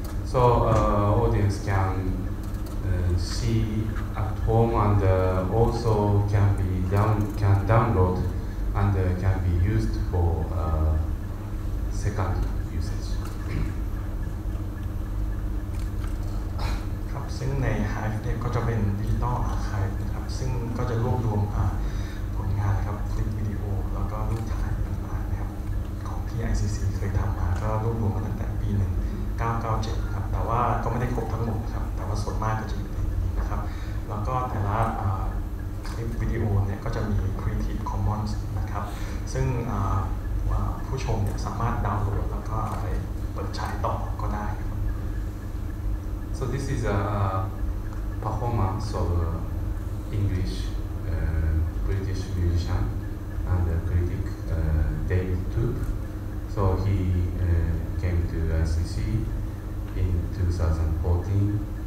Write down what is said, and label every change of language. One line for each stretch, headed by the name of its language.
English: So audience can see at home and also can be can download and can be used for second usage.
Thai: ครับซึ่งใน Hive เนี่ยก็จะเป็น Digital Archive นะครับซึ่งก็จะรวบรวมผลงานนะครับคลิปวิดีโอแล้วก็รูปถ่ายต่างๆนะครับของที่ ICC เคยทำมาก็รวบรวมมาตั้งแต่ปี1997ครับแต่ว่าก็ไม่ได้ครบทั้งหมดครับแต่ว่าส่วนมากก็จะอยู่ในนี้นะครับแล้วก็แต่ละคลิปวิดีโอเนี่ยก็จะมี Creative Commons นะครับซึ่งผู้ชมเนี่ยสามารถดาวน์โหลดแล้วก็เอาไปเปิดใช้ต่อก็ได้ครับ
English: So this is a performance of English British musician and critic David Toop. So he came to ICC in 2014.